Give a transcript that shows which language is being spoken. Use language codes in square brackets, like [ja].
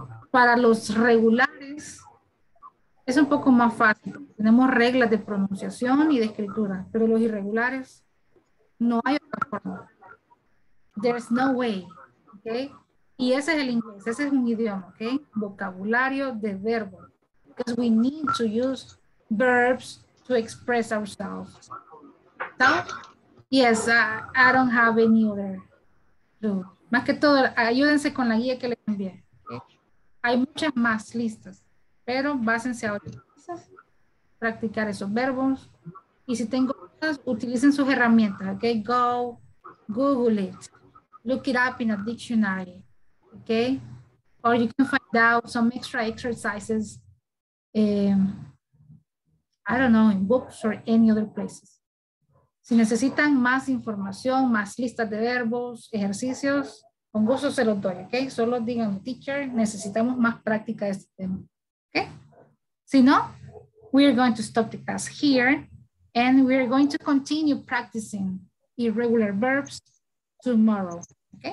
[es] Para los regulares es un poco más fácil. Tenemos reglas de pronunciación y de escritura, pero los irregulares no hay otra forma. [en] There's no way, okay? [es] Y ese es el inglés, ese es un idioma, okay? Vocabulario de verbo. [en] Because we need to use verbs to express ourselves. So, yes, I don't have any other clue. [es] Más que todo, ayúdense con la guía que les envié. Hay muchas más listas, pero básense ahora. Practicar esos verbos. Y si tengo dudas, utilicen sus herramientas, okay? [en] Go, Google it, look it up in a dictionary, okay? Or you can find out some extra exercises, I don't know, in books or any other places. [es] Si necesitan más información, más listas de verbos, ejercicios, con gusto se los doy, okay? Solo díganme, teacher, necesitamos más práctica de este tema, okay? Si no, [en] we're going to stop the class here and we're going to continue practicing irregular verbs tomorrow, okay?